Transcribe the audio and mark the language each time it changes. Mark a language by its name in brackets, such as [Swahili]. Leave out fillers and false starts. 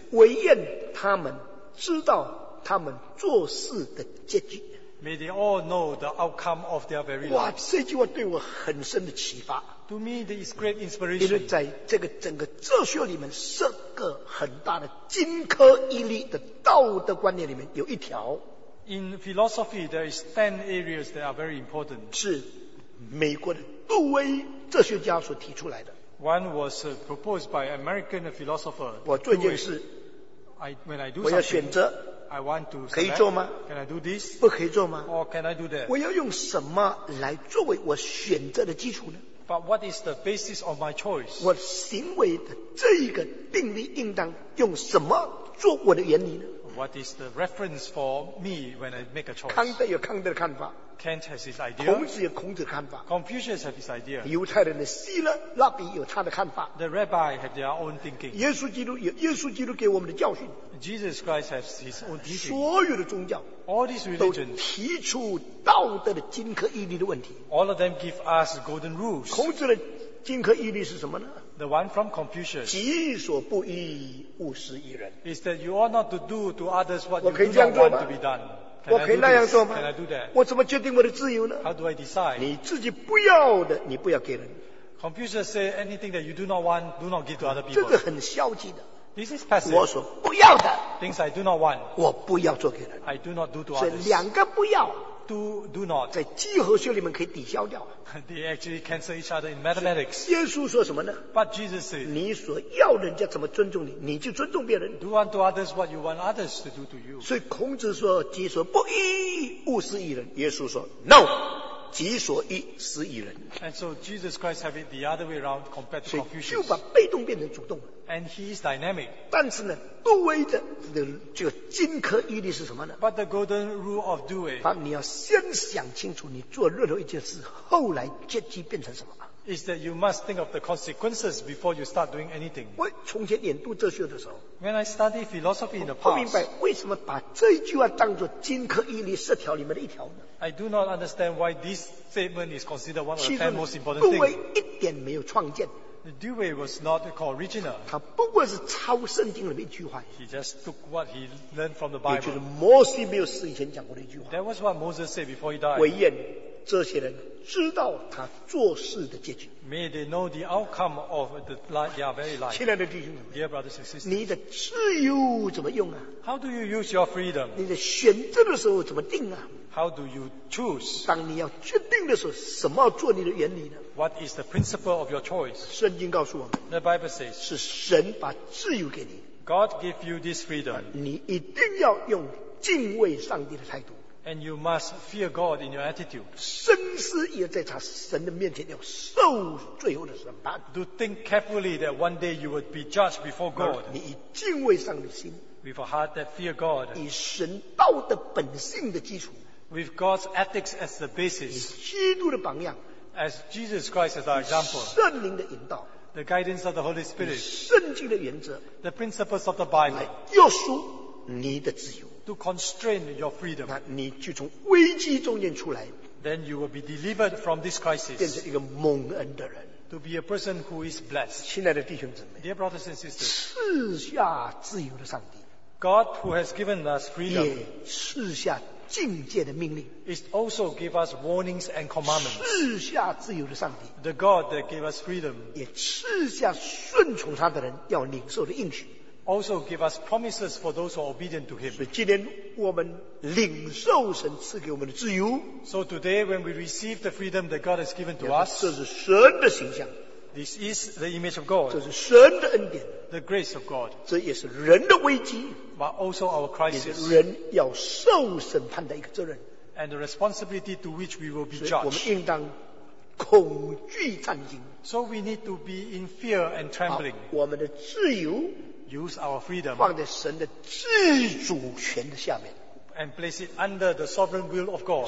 [Chinese] 唯愿他们知道他们做事的结局。 [English] May they all know the outcome of their very life. [Chinese] 哇，这句话对我很深的启发。 [English] To me, this is great inspiration. [Chinese] 因为在这个整个哲学里面，设个很大的金科一律的道德观念里面有一条。 [English] In philosophy, there is 10 areas that are very important. [Chinese] 是美国的杜威哲学家所提出来的。 [English] One was proposed by American philosopher. [Chinese] 我最近是 [English] when I do [Chinese] 我要选择 [English] I want to select, [Chinese] 可以做吗 [English] can I do this? [Chinese] 不可以做吗 [English] or can I do that? [Chinese] 我要用什么来作为我选择的基础呢 [English] But what is the basis of my choice? [Chinese] 我行为的这一个定律应当用什么做我的原理呢 [English] What is the reference for me when I make a choice? [Chinese] 康德有康德的看法。 [English] Kant has his idea. [Chinese] 孔子有孔子的看法。 [English] Confucius has his idea. [Chinese] 犹太人的希勒、拉比有他的看法。 [English] The rabbi have their own thinking. [Chinese] 耶稣基督有耶稣基督给我们的教训。 [English] Jesus Christ has his own teaching. [Chinese] 所有的宗教 [English] All these religions [Chinese] 都提出道德的金科一律的问题。 [English] All of them give us golden rules. [Chinese] 孔子的金科一律是什么呢？ [English] The one from Confucius. [Chinese] 己所不欲，勿施于人。 [English] Is that you ought not to do to others what you do not want to be done? [Chinese] 我可以那样做吗？ [English] Can I do that? [Chinese] 我怎么决定我的自由呢？ [English] How do I decide? [Chinese] 你自己不要的，你不要给人。 [English] Confucius said anything that you do not want, do not give to other people. [Chinese] 这个很消极的。 [English] This is passive. [Chinese] 我说不要的。 [English] Things I do not want. [Chinese] 我不要做给人。 [English] I do not do to others. [Chinese] 所以两个不要。 [English] Do not. [Chinese] 在几何学里面可以抵消掉。 [English] They actually cancel each other in mathematics. [Chinese] 耶稣说什么呢 [English] ？But Jesus said, [Chinese] 你所要人家怎么尊重你，你就尊重别人。 [English] Do unto others what you want others to do to you. [Chinese] 所以孔子说，己所不欲，勿施于人。耶稣说 ， [English] No, [Chinese] 己所欲，施于人。 [English] And so Jesus Christ have it the other way around compared to Confucius. [Chinese] 所以就把被动变成主动了。 [English] And he is dynamic. [Chinese] 但是呢，杜威的这个金科一律是什么呢 [English] ？But the golden rule of Dewey. [Chinese] 你要先想清楚，你做任何一件事，后来结局变成什么 [English] is that you must think of the consequences before you start doing anything. [Chinese] 我从前研读哲学的时候， [English] when I study philosophy in the past, [Chinese] 我不明白为什么把这句话当作金科玉律十条里面的一条呢？ [English] I do not understand why this statement is considered one of the 10 most important things. [Chinese] 杜威一点没有创建。 [English] Dewey was not original. [Chinese] 他不过是抄圣经里面一句话。 [English] He just took what he learned from the Bible. [Chinese] 也就是摩西没有死以前讲过的一句话。 [English] That was what Moses said before he died. [Chinese] 唯愿这些人知道他做事的结局。 [English] May they know the outcome of the life, their very life. [Chinese] 亲爱的弟兄们， [English] Dear brothers and sisters, [Chinese] 你的自由怎么用啊？ [English] How do you use your freedom? [Chinese] 你的选择的时候怎么定啊？ [English] How do you choose? [Chinese] 当你要决定的时候，什么要做你的原理呢？ [English] What is the principle of your choice? [Chinese] 圣经告诉我们， [English] The Bible says, [Chinese] 是神把自由给你。 [English] God gave you this freedom. [Chinese] 你一定要用敬畏上帝的态度。 [English] And you must fear God in your attitude. [Chinese] 深思也在他神的面前要受最后的审判。 [English] To think carefully that one day you would be judged before God. [Chinese] 你以敬畏上帝的心， [English] With a heart that fear God. [Chinese] 以神道德本性的基础， [English] With God's ethics as the basis, [Chinese] 以基督的榜样， [English] as Jesus Christ as our example, [Chinese] 以圣灵的引导， [English] the guidance of the Holy Spirit, [Chinese] 以圣经的原则， [English] the principles of the Bible, [Chinese] 来约束你的自由， [English] to constrain your freedom, [Chinese] 那你就从危机中间出来， [English] then you will be delivered from this crisis, [Chinese] 变成一个蒙恩的人， [English] to be a person who is blessed. [Chinese] 亲爱的弟兄姊妹， [English] dear brothers and sisters, [Chinese] 赐下自由的上帝， [English] God who has given us freedom, [Chinese] 也赐下境界的命令， [English] It also gave us warnings and commandments. [Chinese] 赐下自由的上帝， [English] The God that gave us freedom, [Chinese] 也赐下顺从他的人要领受的应许， [English] Also gave us promises for those who are obedient to him. [Chinese] 所以今天我们领受神赐给我们的自由， [English] So today when we receive the freedom that God has given to us, [Chinese] 这是神的形象， [English] This is the image of God. [Chinese] 这是神的恩典， [English] The grace of God. [Chinese] 这也是人的危机， [English] But also our crisis, [Chinese] 也是人要受审判的一个责任， [English] and the responsibility to which we will be judged. [Chinese] 所以我们应当恐惧战惊， [English] so we need to be in fear and trembling. [Chinese] 我们的自由， [English] use our freedom, [Chinese] 放在神的自主权的下面， [English] and place it under the sovereign will of God.